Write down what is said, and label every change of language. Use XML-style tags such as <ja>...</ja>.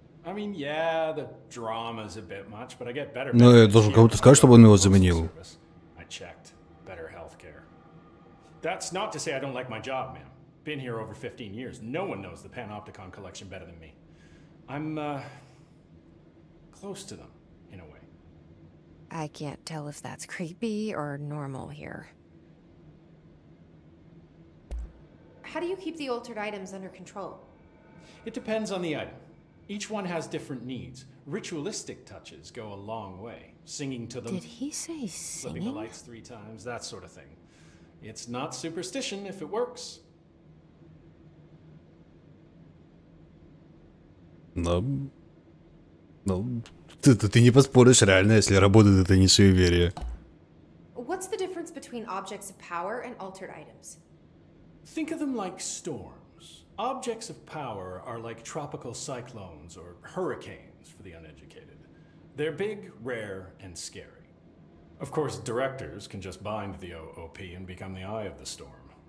<en>I mean, yeah, the drama's a bit much, but I get better.</en> <ru>Ну, я должен кому-то сказать, чтобы он его заменил.</ru> <en>I checked. Better healthcare. That's not to say I don't like my job, man. Been here over 15 years. No one knows the Panopticon collection better than me. I'm close to them. I can't tell if that's creepy or normal here. How do you keep the altered items under control? It depends on the item. Each one has different needs. Ritualistic touches go a long way. Singing to them. Did he say singing? Flipping the lights three times, that sort of thing. It's not superstition if it works.</en> <ru>Ну, ты не поспоришь, реально, если работает, это не суеверие.</ru> <en>What's the difference between objects of power and altered items? Think of them like storms. Objects of power are like tropical cyclones or hurricanes for the uneducated. They're big, rare, and scary. Of course, directors can just bind the OOP and become the eye of the storm.</en>